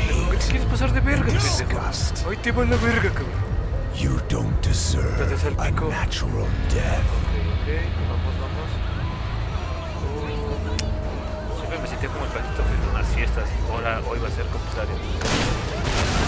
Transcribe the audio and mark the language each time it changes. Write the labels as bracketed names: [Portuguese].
[Spanish] ¿Qué te quieres pasar de verga, pendejo? Hoy te va la verga, cabrón. [English] You don't deserve a natural death. [Spanish] Okay, okay. Vamos, vamos. Oh. Siempre me sentía como el patito en una siesta. Ahora, hoy va a ser comisario.